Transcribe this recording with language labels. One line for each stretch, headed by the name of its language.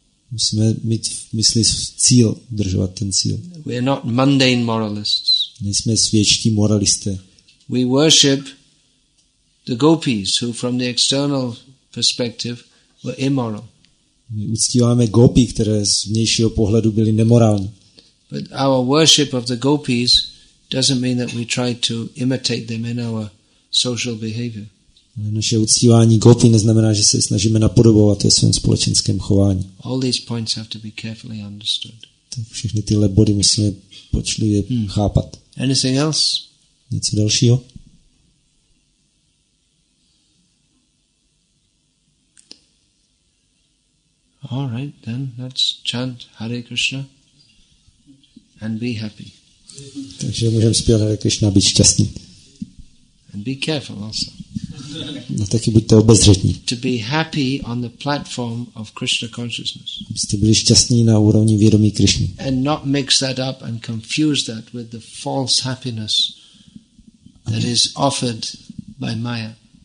Czech: Musíme mít v mysli cíl, udržovat ten cíl.
English: We are not mundane moralists.
Czech: Nejsme světští moralisté.
English: We worship the gopis, who from the external perspective were immoral.
Czech: My uctíváme gopi, které z vnějšího pohledu byly nemorální.
English: But our worship of the gopis doesn't mean that we try to imitate them in our social behavior.
Czech: Naše uctívání gopí neznamená, že se snažíme napodobovat ve svém společenském chování.
English: All these points have to be carefully understood.
Czech: Všechny tyhle body musíme pečlivě chápat.
English: Anything else?
Czech: Něco dalšího?
English: All right, then let's chant Hare Krishna and be happy.
Czech: Takže můžeme zpívat Hare Krishna a být šťastný.
English: And be careful also.
Czech: No taky buďte obezřetní.
English: To be happy on the platform of Krishna consciousness.
Czech: Abyste byli šťastní na úrovni vědomí Krishny.
English: And not mix that up and confuse that with the false happiness that is offered by Maya.